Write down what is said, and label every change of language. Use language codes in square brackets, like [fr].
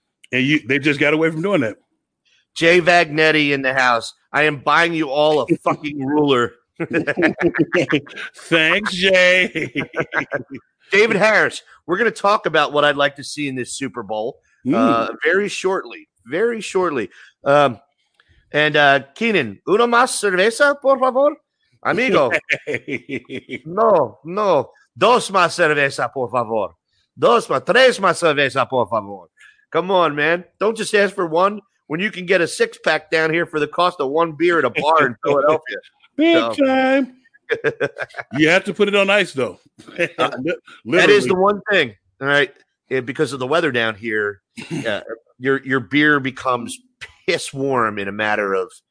[en] And they just got away from doing that. Jay Vagnetti in the house. I am buying you all a fucking ruler. Thanks, Jay. David Harris, we're going to talk about what I'd like to see in this Super Bowl very shortly. Very shortly. [es] Keenan, uno más cerveza, por favor? Amigo. No, no. Dos más cerveza, por favor. Dos más, tres más cerveza, por favor. [en] Come on, man. Don't just ask for one when you can get a six-pack down here for the cost of one beer at a bar in Philadelphia. Big time. You have to put it on ice, though. That is the one thing, all right? Yeah, because of the weather down here, your beer becomes piss warm in a matter of